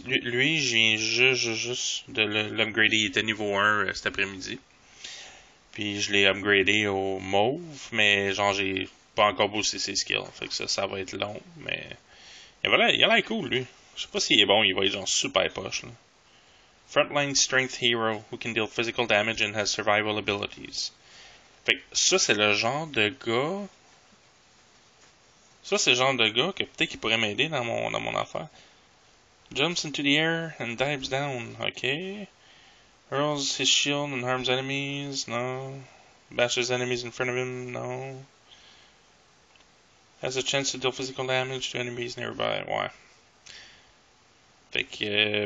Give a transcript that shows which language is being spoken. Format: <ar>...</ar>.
<fr>Lui, je viens juste de l'upgrader. Il était niveau 1 cet après-midi. Puis je l'ai upgradé au mauve, mais genre, j'ai pas encore boosté ses skills. Fait que ça va être long, mais. Il a l'air cool, lui. Je sais pas s'il est bon, il va être genre super poche, là.</fr> <en>Frontline Strength Hero who can deal physical damage and has survival abilities.</en> <fr>Fait que ça, c'est le genre de gars. Ça, c'est le genre de gars que peut-être qu'il pourrait m'aider dans mon affaire.</fr> <en>Jumps into the air and dives down. Ok. Hurls his shield and harms enemies. No. Bashes enemies in front of him. No. Has a chance to deal physical damage to enemies nearby.</en> <fr>Ouais. Fait que.</fr>